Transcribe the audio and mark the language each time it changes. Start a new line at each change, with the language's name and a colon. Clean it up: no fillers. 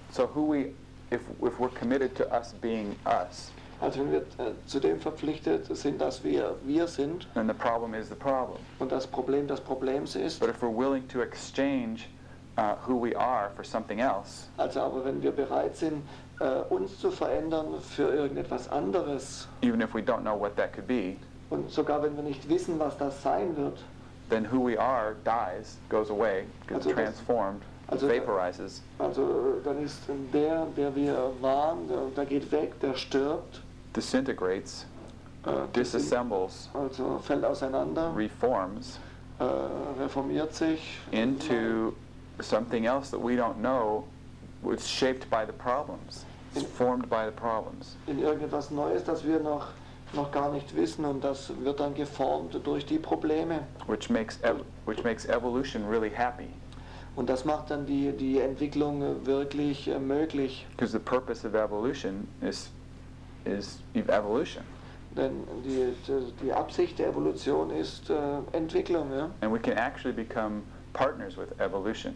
English: So who we, if we're committed to us being us,
German: also wenn wir zu dem verpflichtet sind, dass wir sind,
English: then the problem is the problem.
German: Und das Problem des Problems ist.
English: But if we're willing to exchange who we are for something else,
German: also aber wenn wir bereit sind, uns zu verändern für irgendetwas anderes,
English: even if we don't know what that could be,
German: und sogar wenn wir nicht wissen, was das sein wird,
English: then who we are dies, goes away, gets also transformed. Also, vaporizes.
German: Also dann ist der wir waren, der geht weg, der stirbt.
English: Disintegrates. Disassembles.
German: Also fällt auseinander.
English: Reforms.
German: Reformiert sich.
English: Into something else that we don't know, was shaped by the problems. It's formed by the problems.
German: In irgendetwas Neues, das wir noch gar nicht wissen, und das wird dann geformt durch die Probleme.
English: Which makes evolution really happy.
German: Und das macht dann die Entwicklung wirklich möglich.
English: Because the purpose of evolution is evolution.
German: Denn die Absicht der Evolution ist Entwicklung, ja.
English: And we can actually become partners with evolution.